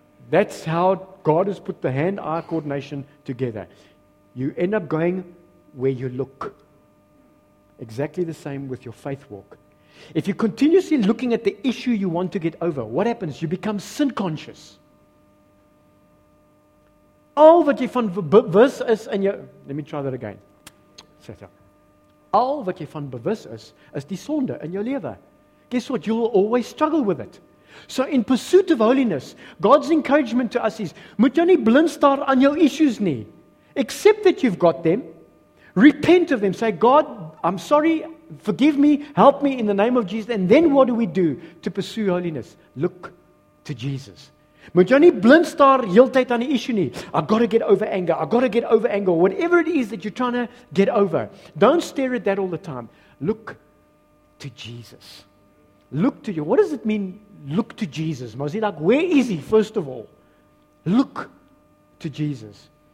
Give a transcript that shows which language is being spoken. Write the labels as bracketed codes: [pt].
[en] That's how God has put the hand-eye coordination together. You end up going where you look. Exactly the same with your faith walk. If you're continuously looking at the issue you want to get over, what happens? You become sin conscious. [af] Al wat jy van bewus is in jou... [en] Let me try that again. [af] Al wat jy van bewus is, is die sonde in jou lewe. [en] Guess what? You'll always struggle with it. So in pursuit of holiness, God's encouragement to us is, [af] moet jy nie blind staar aan jou issues nie. [en] Accept that you've got them. Repent of them. Say, God, I'm sorry. Forgive me. Help me in the name of Jesus. And then what do? To pursue holiness. Look to Jesus. [af] Moet jy nie blind staar heeltyd aan die issue nie. [en] I've got to get over anger. Whatever it is that you're trying to get over. Don't stare at that all the time. Look to Jesus. Look to you. What does it mean, look to Jesus? Mosie, like, where is he, first of all? Look to Jesus.